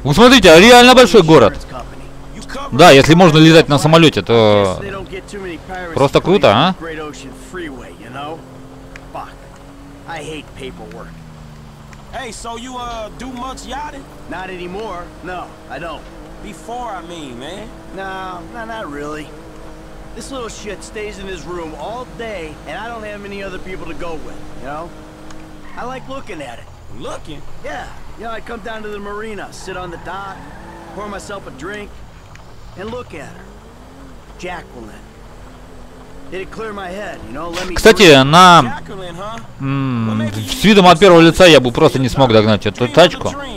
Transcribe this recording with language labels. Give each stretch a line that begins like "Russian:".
Russian: Вы смотрите, реально большой город. Да, если можно летать на самолете, то просто круто, а?
English: Great Ocean Freeway, you know? Fuck. I hate paperwork. Hey, so you, do much yachting? Not anymore. No, I don't. Before, I mean, man. No, not really. This little shit stays in his room all day, and I don't have many other people to go with, you know? I like looking at it. Looking? Yeah. You know, I come down to the marina, sit on the dock, pour myself a drink, and look at her. Jacqueline. It'd clear my head, you know? Let me...
Russian: Кстати, на... с видом от первого лица я бы просто не смог догнать эту тачку.